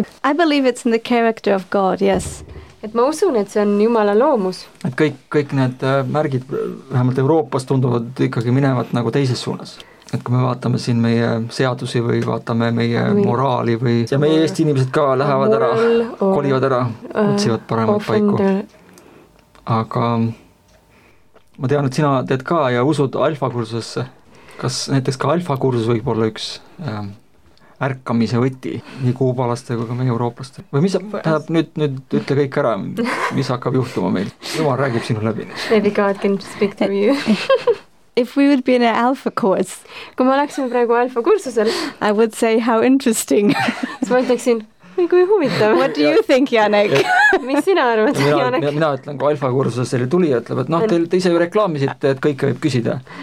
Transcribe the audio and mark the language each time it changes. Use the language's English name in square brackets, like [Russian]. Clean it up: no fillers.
[English] I believe it's in the character of God, yes. [Estonian] Et ma usun, et see on Jumala loomus. Et kõik need märgid vähemalt Euroopas tunduvad ikkagi minevat nagu teises suunas. Et kui me vaatame siin meie seadusi või vaatame meie moraali või... Ja meie Eesti inimesed ka lähevad ära, kolivad ära, otsivad paremat paiku. Aga... Ma tean, et sina teed ka ja usud alfakursusesse. Kas näiteks ka alfakursus võib olla üks ärkamise võti nii kuubalaste kui ka meie eurooplaste? Või mis tähendab nüüd ütle kõik ära, mis hakkab juhtuma meil? Jumal räägib sinu läbi. [English] Maybe God can speak to you. If we would be in an alpha course, [Estonian] kui me oleksime praegu alfa kursusel, [English] I would say how interesting. [Estonian] Ma ütleksin, kui huvitav. [English] What do you think, Janek? [Estonian] Mis sina arvad, Janek? Mina ütlen, kui alfa kursusel tuli, ütleb, et noh, te ise ju reklaamisite, et kõike võib küsida.